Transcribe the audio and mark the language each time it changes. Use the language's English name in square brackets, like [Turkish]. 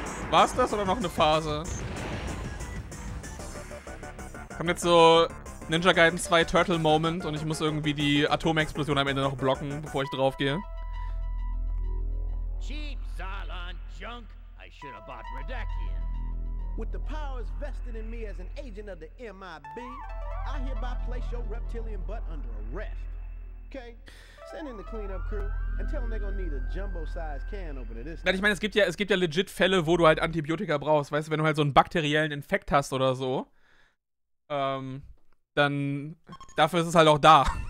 [German] War's das oder noch eine Phase? Kommt jetzt so Ninja Gaiden 2 Turtle Moment und ich muss irgendwie die Atomexplosion am Ende noch blocken, bevor ich drauf gehe. [English] Cheap Xylon Junk, I should have bought Redakian. With the powers vested in me as an agent of the MIB, I hereby place your reptilian butt under arrest. Okay, send in the cleanup crew and tell them they're gonna need a jumbo-sized can opener this time. [German] Ich meine, es gibt ja legit Fälle, wo du halt Antibiotika brauchst. Weißt du, wenn du halt so einen bakteriellen Infekt hast oder so, dann dafür ist es halt auch da.